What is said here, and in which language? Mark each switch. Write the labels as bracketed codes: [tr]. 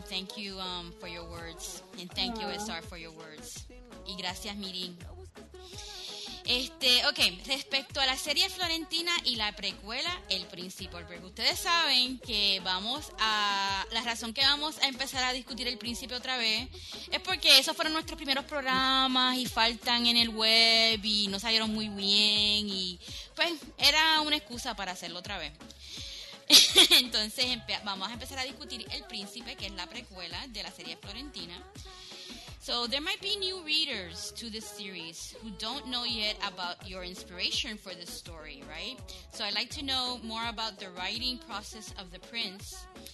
[en] Thank you for your words. And thank you, SR, for your words. [es] Y gracias, Miri. Ok, respecto a la serie Florentina y la precuela El Principal, porque ustedes saben que vamos a... La razón que vamos a empezar a discutir El Principal otra vez es porque esos fueron nuestros primeros programas y faltan en el web y no salieron muy bien y pues era una excusa para hacerlo otra vez. Entonces vamos a empezar a discutir El Príncipe, que es la precuela de la serie Florentina. [en] So there might be new readers to this series who don't know yet about your inspiration for this story, right? So I'd like to know more about the writing process of The Prince.